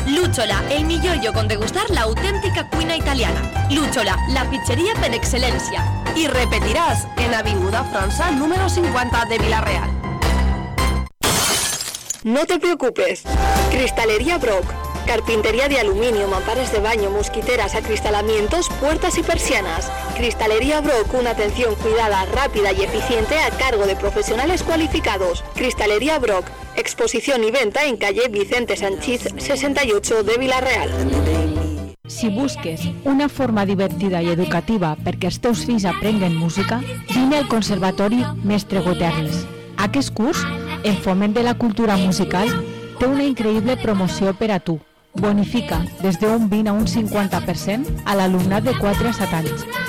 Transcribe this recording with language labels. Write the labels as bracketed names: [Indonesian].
[Catalan] Lúchola, el millor lloc on degustar la autèntica cuina italiana. Lúchola, la pizzeria per excel·lència. I repetiràs en Avinguda França número 50 de Villarreal. [Spanish] No te preocupes. Cristalería Brock. Carpintería de aluminio, mamparas de baño, mosquiteras, acristalamientos, puertas y persianas. Cristalería Brock, una atención cuidada, rápida y eficiente a cargo de profesionales cualificados. Cristalería Brock. Exposición y venta en calle Vicente Sanchiz 68 de Villarreal. [Catalan] Si busques una forma divertida i educativa perquè els teus fills aprenguin música, vine al Conservatori Mestre Guterres. Aquest curs, en foment de la cultura musical, té una increïble promoció per a tu. Bonifica des d'un 20 a un 50% a l'alumnat de 4 a 7 anys.